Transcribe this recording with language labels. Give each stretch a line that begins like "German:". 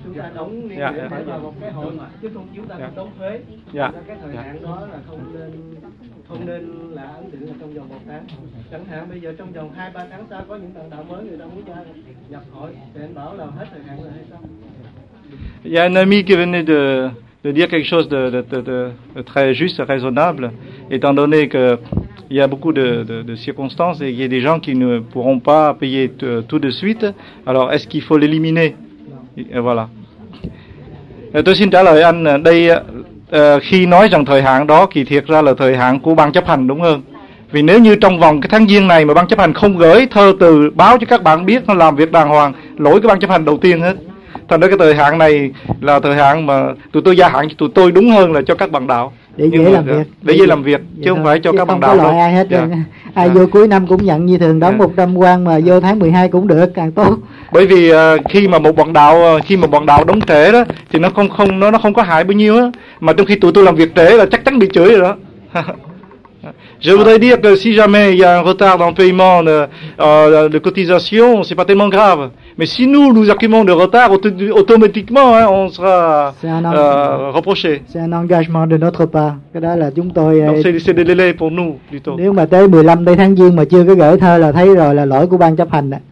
Vietnamese: chúng ta đóng niên liễm phải vào một cái hội mà chứ không chúng ta không đóng thuế. Dạ. Cái thời hạn đó là không nên là ấn định là trong vòng một tháng. Chẳng hạn bây giờ trong vòng 2-3 tháng sau có những bạn đạo mới người ta muốn ra nhập hội thì anh bảo là hết thời hạn rồi hay sao?
French: Y a un ami qui venait de dire quelque chose de très juste, raisonnable, étant donné qu'il y a beaucoup de circonstances et il y a des gens qui ne pourront pas payer tout de suite. Alors, est-ce qu'il faut l'éliminer? Et voilà.
Vietnamese: Tôi xin trả lời anh, đây, khi nói rằng thời hạn đó, thì thiệt ra là thời hạn của ban chấp hành, đúng hơn. Vì nếu như trong vòng cái tháng giêng này mà ban chấp hành không gửi thơ từ báo cho các bạn biết, nó làm việc đàng hoàng, lỗi cái ban chấp hành đầu tiên hết. Thành ra cái thời hạn này là thời hạn mà tụi tôi gia hạn cho tụi tôi, đúng hơn là cho các bạn đạo để dễ làm việc, để dễ làm việc chứ không phải cho các bạn đạo đâu. Không có loại ai hết. Ai vô cuối năm cũng nhận như thường, đóng 100 quan mà vô tháng 12 cũng được, càng tốt. Bởi vì khi mà bọn đạo đóng trễ đó thì nó không có hại bao nhiêu á, mà trong khi tụi tôi làm việc trễ là chắc chắn bị chửi rồi đó.
French: Je voudrais dire que si jamais il y a un retard dans le paiement de cotisation, c'est pas tellement grave. Mais si nous accumulons de retard, automatiquement, hein, on sera reproché. C'est un engagement de notre part.
Vietnamese: Cái đó là chúng tôi.
French: C'est des délais pour nous, plutôt.
Vietnamese: Nếu mà tới 15 tây tháng giêng mà chưa có gửi thơ là thấy rồi là lỗi của ban chấp hành.